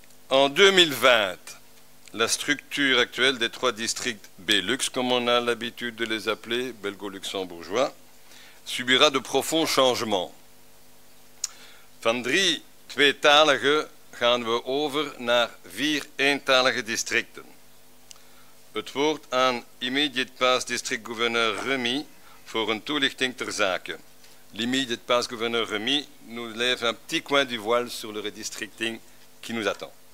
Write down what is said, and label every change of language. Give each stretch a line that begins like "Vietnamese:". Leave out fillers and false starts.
French: En 2020, la structure actuelle des trois districts Belux, comme on a l'habitude de les appeler, belgo-luxembourgeois, subira de profonds changements.
Dutch: Van drie tweetalige gaan we over naar vier eentalige districten. Het woord aan Immediate Past District Gouverneur Remy voor een toelichting ter zake.
French: L'Immediate Past Gouverneur Remy nous lève un petit coin du voile sur le redistricting qui nous attend.